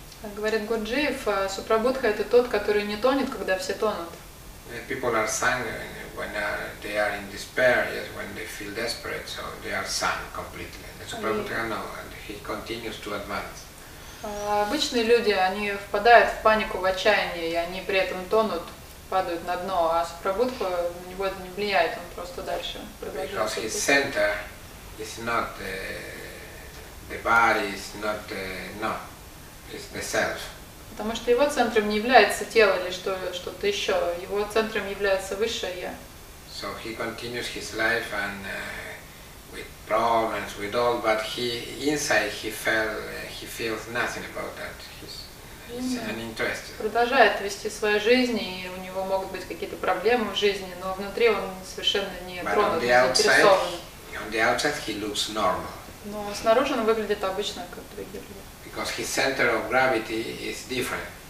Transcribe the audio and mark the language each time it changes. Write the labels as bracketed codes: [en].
[ru] Как говорит Гурджиев, Супрабудха это тот, который не тонет, когда все тонут. [en] People are sunk when they are in despair. Yes, when they feel desperate, so they are sunk completely. Supragutha no, and he continues to advance. [ru] Обычные люди, они впадают в панику, в отчаяние, и они при этом тонут, падают на дно, а Супрабудха на него это не влияет, он просто дальше продолжает. [en] Because his center is not the body, is not no, it's the self. [ru] Потому что его центром не является тело или что-то еще, его центром является высшее я. [en] So he continues his life and with problems, with all, but he inside he felt he feels nothing about that. He's uninterested. [ru] Продолжает вести свою жизнь, и у него могут быть какие-то проблемы в жизни, но внутри он совершенно не тронут, заинтересован. [en] On the outside he looks normal. [ru] Но снаружи он выглядит обычно, как другие люди. [en] Because his center of gravity is different.